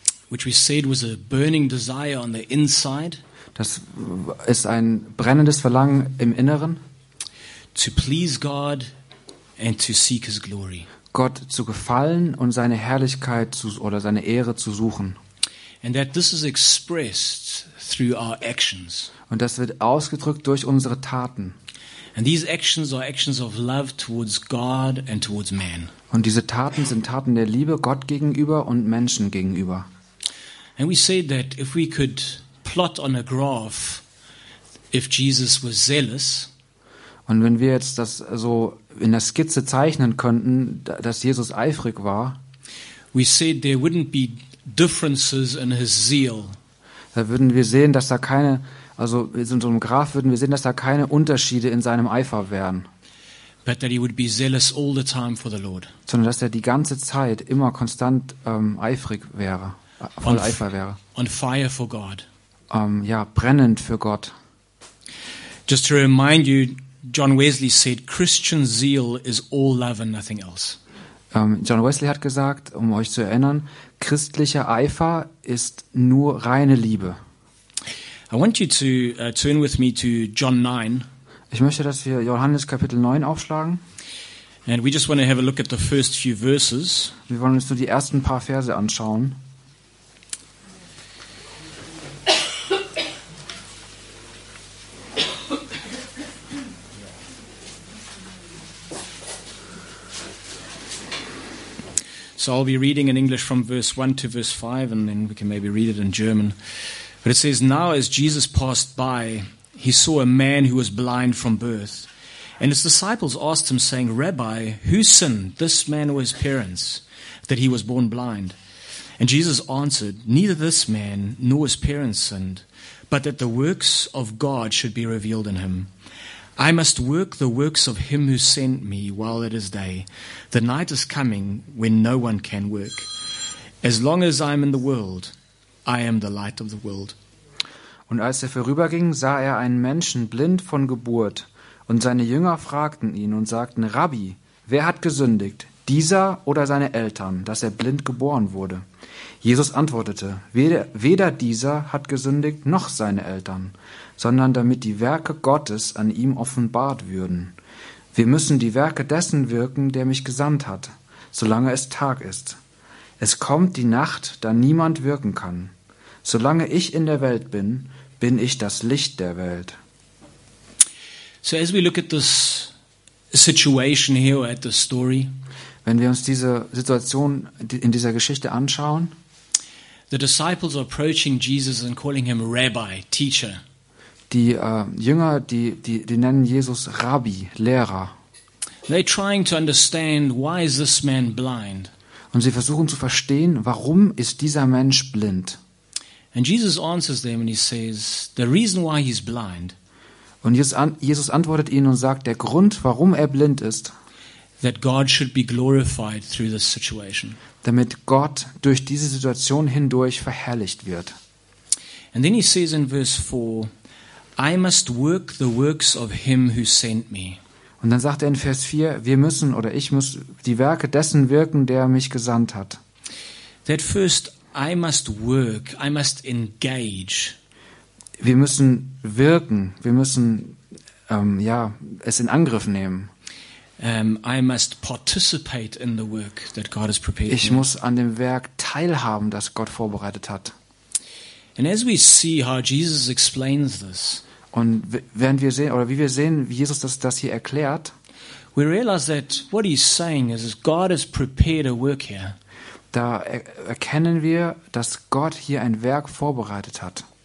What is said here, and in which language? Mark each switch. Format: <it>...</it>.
<en>Which we said was a burning desire on the inside.</en> <de>Das ist ein brennendes Verlangen im Inneren,</de> <en>to please God and to seek his glory.</en> <de>Gott zu gefallen und seine Herrlichkeit zu, oder seine Ehre zu suchen.</de> <en>And that this is expressed through our actions.</en> <de>Und das wird ausgedrückt durch unsere Taten.</de> <en>And these actions are actions of love towards God and towards man.</en> <de>Und diese Taten sind Taten der Liebe Gott gegenüber und Menschen gegenüber.</de> <en>And we say that if we could plot on a graph if Jesus was zealous.</en> <de>Und wenn wir jetzt das so in der Skizze zeichnen könnten, dass Jesus eifrig war,</de> <en>we said there wouldn't be differences in his zeal.</en> <de>Da würden wir sehen, dass da keine, also in so einem Graph würden wir sehen, dass da keine Unterschiede in seinem Eifer wären.</de> <en>But that he would be zealous all the time for the Lord.</en> <de>Sondern dass er die ganze Zeit immer konstant eifrig wäre, voll Eifer wäre.</de> <en>On fire for God.</en> <de>Brennend für Gott.</de> <en>Just to remind you, John Wesley said, "Christian zeal is all love and nothing else."</en> <de>John Wesley hat gesagt, um euch zu erinnern, christlicher Eifer ist nur reine Liebe.</de> <en>I want you to turn with me to John 9.</en> <de>Ich möchte, dass wir Johannes Kapitel 9 aufschlagen.</de> <en>And we just want to have a look at the first few verses.</en> <de>Wir wollen uns nur die ersten paar Verse anschauen.</de> <en>So I'll be reading in English from verse 1 to verse 5, and then we can maybe read it in German. But it says, "Now as Jesus passed by, he saw a man who was blind from birth. And his disciples asked him, saying, 'Rabbi, who sinned, this man or his parents, that he was born blind?' And Jesus answered, 'Neither this man nor his parents sinned, but that the works of God should be revealed in him. I must work the works of him who sent me while it is day. The night is coming when no one can work. As long as I am in the world, I am the light of the world.'"</en> <de>Und als er vorüberging, sah er einen Menschen blind von Geburt. Und seine Jünger fragten ihn und sagten: "Rabbi, wer hat gesündigt, dieser oder seine Eltern, dass er blind geboren wurde?" Jesus antwortete: weder dieser hat gesündigt noch seine Eltern, sondern damit die Werke Gottes an ihm offenbart würden. Wir müssen die Werke dessen wirken, der mich gesandt hat, solange es Tag ist. Es kommt die Nacht, da niemand wirken kann. Solange ich in der Welt bin, bin ich das Licht der Welt."</de> <en>So as we look at this situation here, at the story,</en> <de>wenn wir uns diese Situation in dieser Geschichte anschauen,</de> <en>The disciples are approaching Jesus and calling him Rabbi, teacher.</en> <de>Die Jünger, die nennen Jesus Rabbi, Lehrer.</de> <en>They're trying to understand why is this man blind.</en> <de>Und sie versuchen zu verstehen, warum ist dieser Mensch blind?</de> <en>And Jesus answers them and he says, the reason why he's blind.</en> <de>Und Jesus antwortet ihnen und sagt, der Grund, warum er blind ist.</de> <en>That God should be glorified through this situation.</en> <de>Damit Gott durch diese Situation hindurch verherrlicht wird.</de> <en>And then he says in verse 4, I must work the works of him who sent me.</en> <de>Und dann sagt er in Vers 4, wir müssen oder ich muss die Werke dessen wirken, der mich gesandt hat.</de> <en>That first I must work, I must engage.</en> <de>Wir müssen wirken, wir müssen es in Angriff nehmen.</de> <en>I must participate in the work that God has prepared.</en> <de>Ich muss an dem Werk teilhaben, das Gott vorbereitet hat.</de> <en>And as we see how Jesus explains this.</en> <de>Und während wir sehen oder wie wir sehen, wie Jesus das hier erklärt,</de> <en>we realize that what he's saying is God has prepared a work here.</en> <de>Da erkennen wir, dass Gott hier ein Werk vorbereitet hat.</de>